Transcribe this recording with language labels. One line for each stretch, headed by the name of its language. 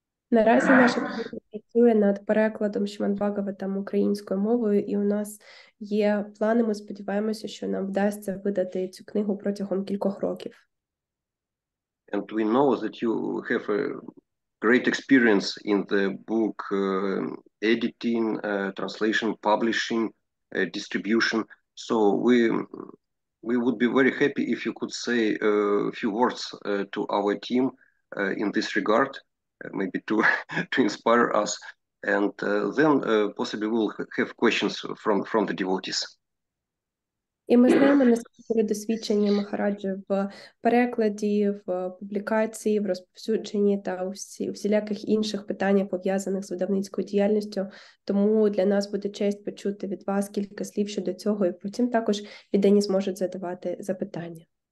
Ukrainian: Наразі наша група працює над перекладом шримад-бхагаватам українською мовою, і у нас є плани, ми сподіваємося, що нам вдасться видати цю книгу протягом кількох років.
English: And we know that you have a great experience in the book editing, translation, publishing, distribution. So we would be very happy if you could say a few words to our team in this regard, maybe to inspire us, and then possibly we'll have questions from the devotees.
Ukrainian: І ми знаємо, наскільки досвідчені Махараджа в перекладі, в публікації, в розповсюдженні та у всіляких інших питаннях, пов'язаних з видавницькою діяльністю. Тому для нас буде честь почути від вас кілька слів щодо цього, і потім також віддані зможуть задавати запитання.